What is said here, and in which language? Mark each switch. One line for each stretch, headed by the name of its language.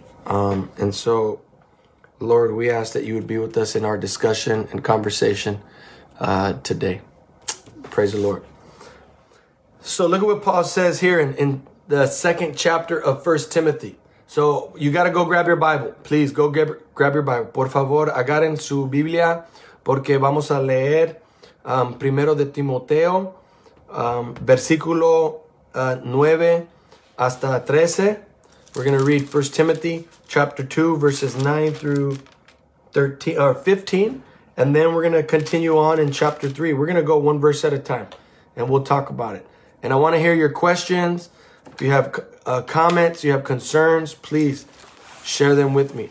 English: And so, Lord, we ask that you would be with us in our discussion and conversation today. Praise the Lord. So look at what Paul says here in the second chapter of 1 Timothy. So you got to go grab your Bible. Please go grab your Bible.
Spanish: Por favor, agarren su Biblia, porque vamos a leer primero de Timoteo, versículo 9 hasta 13.
English: We're going to read 1 Timothy chapter 2, verses 9 through 15. And then we're going to continue on in chapter 3. We're going to go one verse at a time, and we'll talk about it. And I want to hear your questions. If you have comments, you have concerns, please share them with me.